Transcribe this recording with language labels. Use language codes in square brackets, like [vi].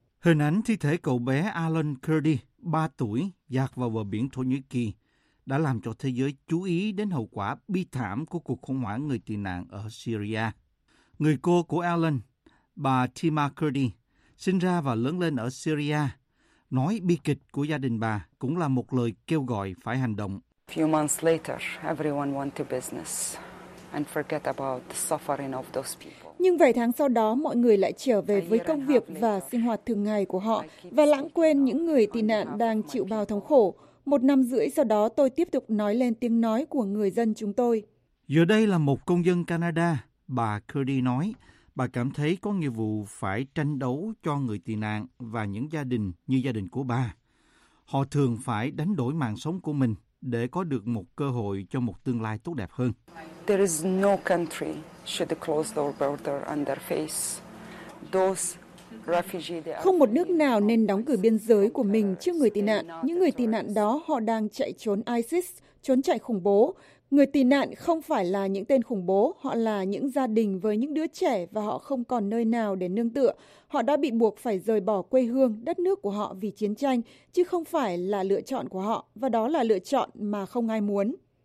[vi] Hình ảnh thi thể cậu bé Alan Kurdi, 3 tuổi, dạt vào bờ biển Thổ Nhĩ Kỳ, đã làm cho thế giới chú ý đến hậu quả bi thảm của cuộc khủng hoảng người tị nạn ở Syria. Người cô của Alan, bà Tima Kurdi, sinh ra và lớn lên ở Syria, nói bi kịch của gia đình bà cũng là một lời kêu gọi phải hành động. [en] Few months later, everyone went to business and forget about the suffering of those people. [vi] Nhưng vài tháng sau đó, mọi người lại trở về với công việc và sinh hoạt thường ngày của họ và lãng quên những người tị nạn đang chịu bao thống khổ. Một năm rưỡi sau đó, tôi tiếp tục nói lên tiếng nói của người dân chúng tôi. Giờ đây là một công dân Canada, bà Kurdi nói. Bà cảm thấy có nghĩa vụ phải tranh đấu cho người tị nạn và những gia đình như gia đình của bà. Họ thường phải đánh đổi mạng sống của mình để có được một cơ hội cho một tương lai tốt đẹp hơn. [en] There is no country should close their border and their face. Those refugees, they are... [vi] Không một nước nào nên đóng cửa biên giới của mình trước người tị nạn. Những người tị nạn đó, họ đang chạy trốn ISIS, trốn chạy khủng bố. Người tị nạn không phải là những tên khủng bố, họ là những gia đình với những đứa trẻ và họ không còn nơi nào để nương tựa. Họ đã bị buộc phải rời bỏ quê hương, đất nước của họ vì chiến tranh, chứ không phải là lựa chọn của họ, và đó là lựa chọn mà không ai muốn.